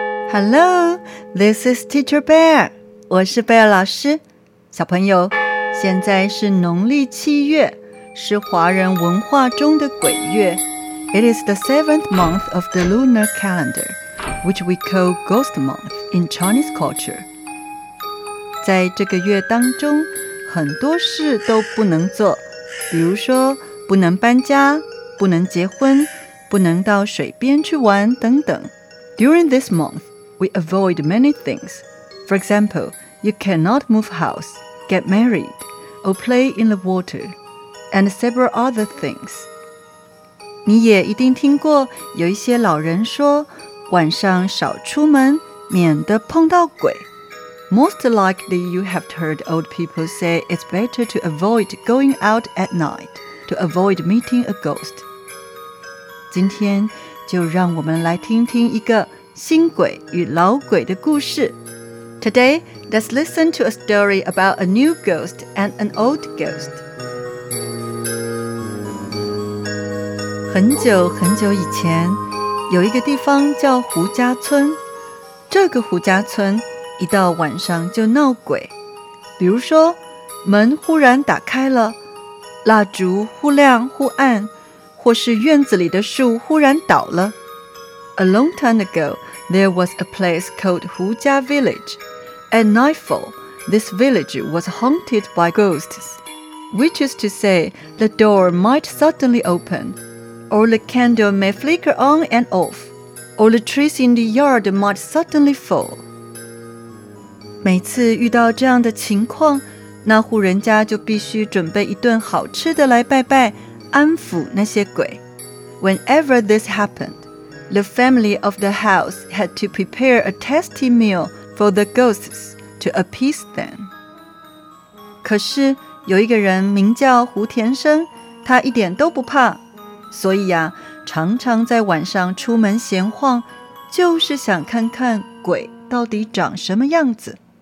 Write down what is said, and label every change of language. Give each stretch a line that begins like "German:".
English: Hello, this is Teacher Bear.
Chinese: 我是贝尔老师。小朋友，现在是农历七月，是华人文化中的鬼月。
English: It is the seventh month of the lunar calendar, which we call Ghost Month in Chinese culture.
Chinese: 在这个月当中，很多事都不能做，比如说不能搬家，不能结婚，不能到水边去玩等等。
English: During this month, we avoid many things. For example, you cannot move house, get married, or play in the water, and several other things.
Chinese: 你也一定听过有一些老人说，晚上少出门，免得碰到鬼。
English: Most likely you have heard old people say it's better to avoid going out at night, to avoid meeting a ghost.
Chinese: 今天就让我们来听听一个新鬼与老鬼的故事。
English: Today, let's listen to a story about a new ghost and an old ghost.
Chinese: 很久很久以前，有一个地方叫胡家村。这个胡家村一到晚上就闹鬼，比如说门忽然打开了，蜡烛忽亮忽暗，或是院子里的树忽然倒了。
English: A long time ago, there was a place called Hujia Village. At nightfall, this village was haunted by ghosts, which is to say, the door might suddenly open, or the candle may flicker on and off, or the trees in the yard might suddenly fall.
Chinese: 每次遇到这样的情况，那户人家就必须准备一顿好吃的来拜拜，安抚那些鬼。
English: Whenever this happened, the family of the house had to prepare a tasty meal for the ghosts to appease them.
Chinese: 可是有一个人名叫胡田生，他一点都不怕，所以呀，常常在晚上出门闲晃，就是想看看鬼到底长什么样子。